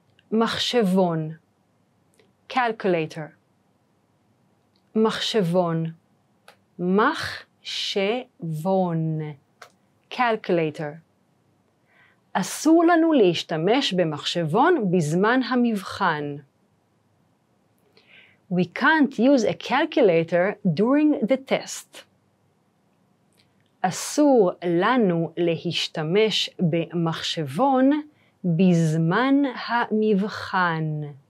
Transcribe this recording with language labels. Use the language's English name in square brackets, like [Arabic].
[Hebrew] מחשבון, calculator. מחשבון, מחשבון, calculator. אסור לנו להשתמש במחשבון בזמן המבחן. [English] We can't use a calculator during the test. [Hebrew] אסור לנו להשתמש במחשבון בזמן המבחן.